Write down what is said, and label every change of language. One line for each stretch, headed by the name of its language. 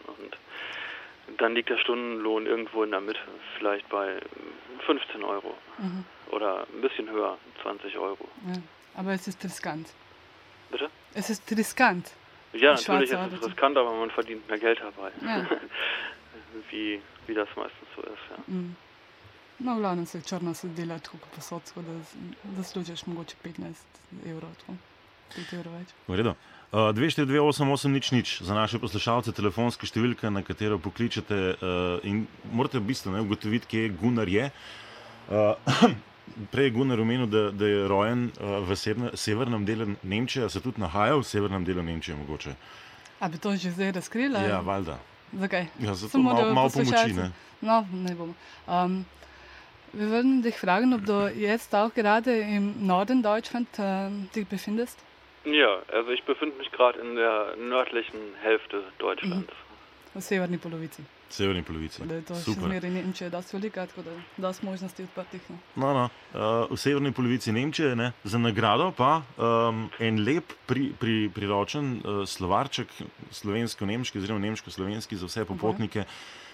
German: Und dann liegt der Stundenlohn irgendwo in der Mitte, vielleicht bei 15 Euro. Oder ein bisschen höher, 20 Euro. Ja. Aber es ist riskant. Bitte? Es ist riskant. Ja, natürlich ist es riskant, aber man verdient mehr Geld dabei. Ja. wie das meistens so ist, ja.
Slovenian: No, v glavnem se črno se dela tako kot posod, da zaslužiš mogoče 15 evrov. Tudi v redu. 242-88-00 za naše poslušalce, telefonska številka, na katero pokličete in morate v bistvu ne, ugotoviti, kje Gunnar je. Prej je Gunnar omenil, da je rojen v severnem delu Nemčije, se tudi nahaja v severnem delu Nemčije mogoče. A bi to že zdaj razkrila? Ja, valjda. Zakaj? Ja, zato malo mal pomoči, ne? No, ne bomo.
German: Wir würden dich fragen, ob du jetzt auch gerade im Norden Deutschland dich befindest? Ja, also ich befinde mich gerade in der nördlichen Hälfte Deutschlands.
Slovenian: Mhm. Severni polovici. Severni polovici. Super. Da je to še zmeri Nemčije dost velika, tako da dost možnosti odprtih. No. V severni polovici Nemčije, ne? Za nagrado pa en lep priročen slovarček slovensko-nemški, oziroma nemško-slovenski za vse popotnike, okay.